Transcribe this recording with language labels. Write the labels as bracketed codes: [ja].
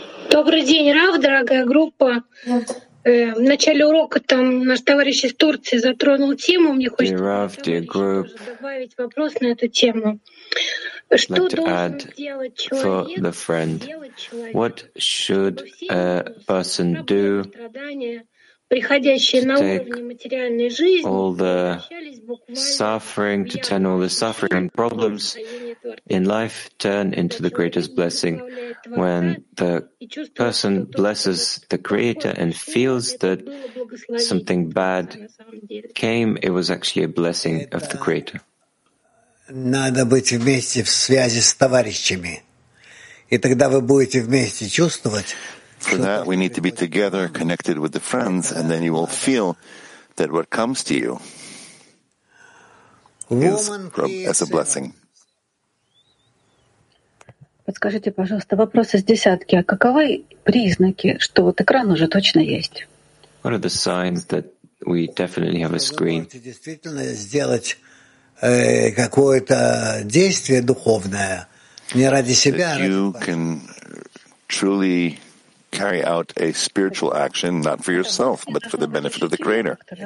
[ru] Добрый день, Раф, дорогая группа. В начале урока там наш товарищ из Турции затронул тему, мне хочется добавить вопрос на эту тему. Что должен делать человек? [en] What should a person do? [ru] Приходящие на уровне материальной жизни, [en] all the suffering, to turn all the suffering and problems in life turn into the greatest blessing. When the person blesses the Creator and feels that something bad came, it was actually a blessing of the Creator. [ru] Надо быть вместе в связи с товарищами, и тогда вы будете вместе чувствовать. [en] For that, we need to be together, connected with the friends, and then you will feel that what comes to you is as a blessing. [ru] Подскажите, пожалуйста, вопрос из десятки. А каковы признаки, что вот экран уже точно есть? [en] What are the signs that we definitely have a screen? [ru] Вы можете действительно сделать какое-то действие духовное не ради себя. [en] You can truly carry out a spiritual action, not for yourself, but for the benefit of the Creator.